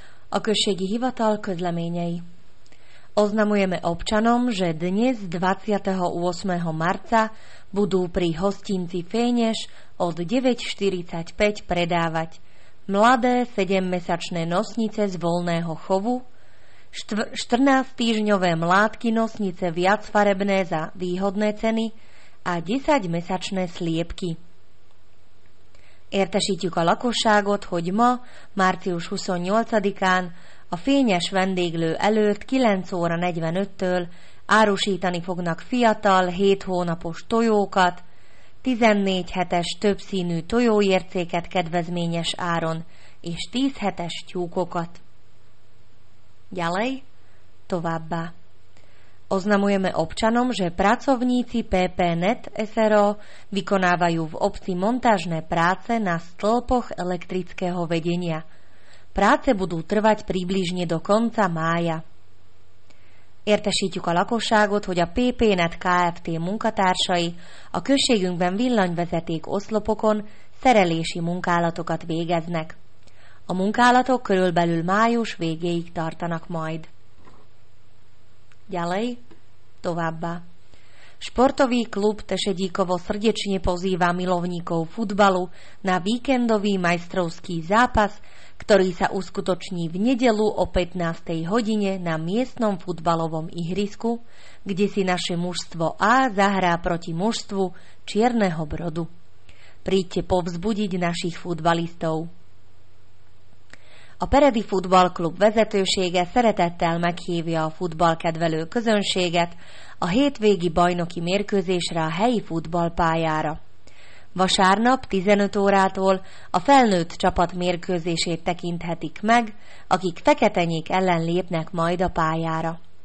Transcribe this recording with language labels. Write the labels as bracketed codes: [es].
[hu] Okršiek i hivatal Közleményei. [sk] Oznamujeme občanom, že dnes 28. marca budú pri hostinci Fénieš od 9.45 predávať mladé 7-mesačné nosnice z voľného chovu, 14-týždňové mládky nosnice viacfarebné za výhodné ceny a 10-mesačné sliepky. [hu] Értesítjük a lakosságot, hogy ma, március 28-án a Fényes vendéglő előtt 9 óra 45-től árusítani fognak fiatal 7 hónapos tojókat, 14 hetes többszínű tojóércéket kedvezményes áron és 10 hetes tyúkokat. [sk] Ďalej, [hu] továbbá. [sk] Oznamujeme občanom, že pracovníci PPNet SRO vykonávajú v obci montážne práce na stĺpoch elektrického vedenia. Práce budú trvať približne do konca mája. [hu] Értesítjük a lakosságot, hogy a PPNet Kft. Munkatársai a községünkben villanyvezeték oszlopokon szerelési munkálatokat végeznek. A munkálatok körülbelül május végéig tartanak majd. [sk] Ďalej, [hu] továbbá. [sk] Športový klub Tešedíkovo srdečne pozýva milovníkov futbalu na víkendový majstrovský zápas, ktorý sa uskutoční v nedeľu o 15. hodine na miestnom futbalovom ihrisku, kde si naše mužstvo A zahrá proti mužstvu Čierneho Brodu. Príďte povzbudiť našich futbalistov. [hu] A Peredi Futballklub vezetősége szeretettel meghívja a futballkedvelő közönséget a hétvégi bajnoki mérkőzésre a helyi futballpályára. Vasárnap 15 órától a felnőtt csapat mérkőzését tekinthetik meg, akik feketenyék ellen lépnek majd a pályára.